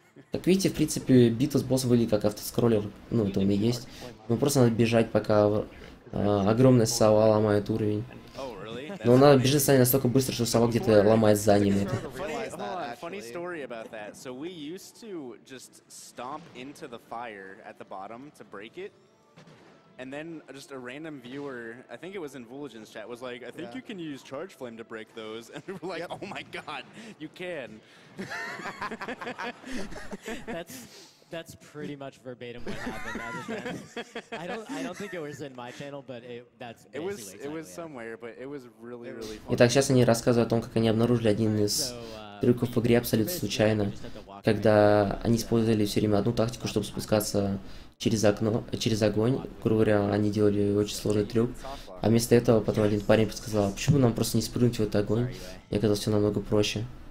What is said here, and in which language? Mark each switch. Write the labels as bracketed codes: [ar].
[ru] Так видите, в принципе, битва с боссом выглядит как автоскроллер, ну это он и есть. Но просто надо бежать, пока огромная сова ломает уровень. Но она бежит с нами настолько быстро, что сова где-то ломает за ним это. [en] Funny story about that. So we used to just stomp into the fire at the bottom to break it, and then just a random viewer, I think it was in Vuligin's chat, was like, "I think you can use charge flame to break those," and we were like, "Oh my god, you can!" That's pretty much verbatim what happened. I don't think it was in my channel, but it was somewhere, but it was really really funny. [ru] Итак, сейчас они рассказывают о том, как они обнаружили один из трюков в игре абсолютно случайно, когда они использовали все время одну тактику, чтобы спускаться через окно, через огонь. Грубо говоря, они делали очень сложный трюк, а вместо этого потом один парень подсказал, почему нам просто не спрыгнуть в этот огонь, и оказалось все намного проще.